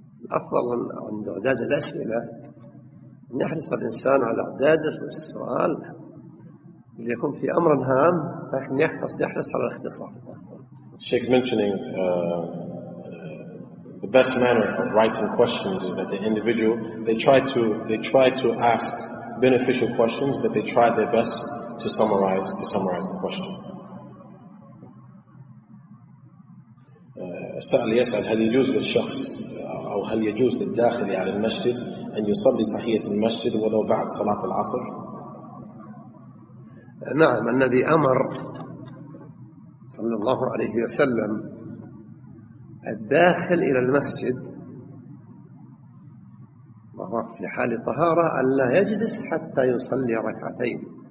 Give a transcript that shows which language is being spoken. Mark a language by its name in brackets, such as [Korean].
[Arabic] أفضل عند إعداد الأسئلة أن يحرص الإنسان على إعداد السؤال اللي يكون في أمر هام لكن يحرص على الاختصار. [English] Sheikh's mentioning the best manner of writing questions is that the individual they try to ask beneficial questions, but they try their best to summarize the question. [Arabic] السائل يسأل هل يجوز للشخص أو هل يجوز للداخل على المسجد أن يصلي تحية المسجد ولو بعد صلاة العصر؟ نعم، الذي أمر صلى الله عليه وسلم الداخل إلى المسجد وهو في حال طهارة أن لا يجلس حتى يصلي ركعتين،